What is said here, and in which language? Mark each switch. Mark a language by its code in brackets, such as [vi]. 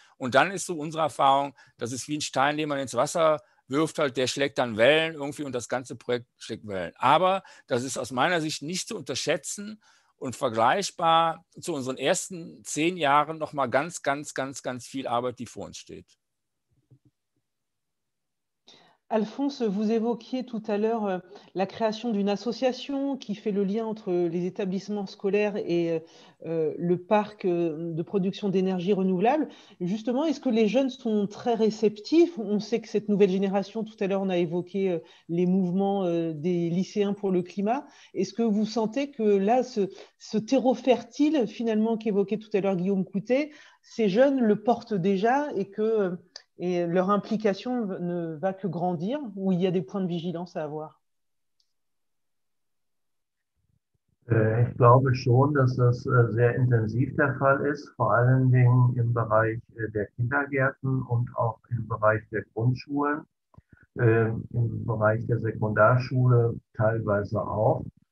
[de] Und dann ist so unsere Erfahrung, das ist wie ein Stein, den man ins Wasser wirft halt, der schlägt dann Wellen irgendwie und das ganze Projekt schlägt Wellen. Aber das ist aus meiner Sicht nicht zu unterschätzen und vergleichbar zu unseren ersten 10 Jahren nochmal ganz, ganz, ganz, ganz viel Arbeit, die vor uns steht. [fr] Alphonse, vous évoquiez tout à l'heure la création d'une association qui fait le lien entre les établissements scolaires et le parc de production d'énergie renouvelable. Justement, est-ce que les jeunes sont très réceptifs? On sait que cette nouvelle génération, tout à l'heure, on a évoqué les mouvements des lycéens pour le climat. Est-ce que vous sentez que là, ce terreau fertile, finalement, qu'évoquait tout à l'heure Guillaume Coutet, ces jeunes le portent déjà et que... Et leur implication ne va que grandir, ou il y a des points de vigilance à avoir? [de] Ich glaube schon, dass das sehr intensiv der Fall ist, vor allen Dingen im Bereich der Kindergärten und auch im Bereich der Grundschulen, im Bereich der Sekundarschule teilweise auch.